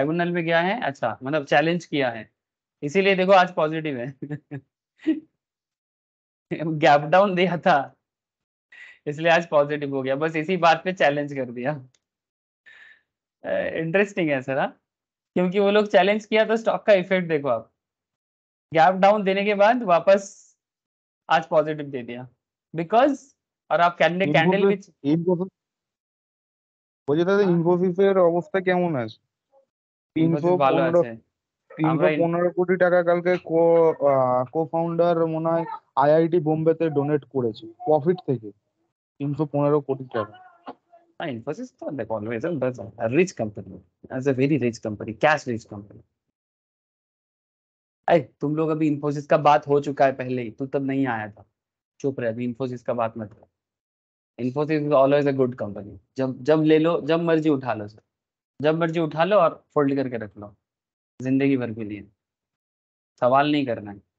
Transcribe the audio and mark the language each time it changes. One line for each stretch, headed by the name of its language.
Hindi: इसीलिए देखो आज पॉजिटिव है, गैप डाउन दिया था इसलिए आज पॉजिटिव हो गया, बस इसी बात पे चैलेंज कर दिया। इंटरेस्टिंग है सर, क्योंकि वो लोग चैलेंज किया तो स्टॉक का इफेक्ट देखो आप, गैप डाउन देने के बाद वापस आज पॉजिटिव दे दिया बिकॉज, और आप कैंडल कैंडल भी बोले था।
Bangla: इंफोसिस এর অবস্থা কেমন আছে? ইনফো ভালো আছে, 315 কোটি টাকা কালকে কো-ফাউন্ডার মনে আইআইটি বোম্বে তে ডোনেট করেছে প্রফিট থেকে, 315 কোটি টাকা।
English: Infosys
Hindi: तो देखो
English: always a rich company, as a very rich company, cash rich company।
Hindi: अरे तुम लोग अभी Infosys का बात हो चुका है पहले ही, तू तब नहीं आया था, चुप रह, अभी Infosys का बात मत कर।
English: Infosys is always a good company,
Hindi: जब जब ले लो, जब मर्जी उठा लो सर, जब मर्जी उठा लो और फोल्ड करके रख लो जिंदगी भर के लिए, सवाल नहीं करना है।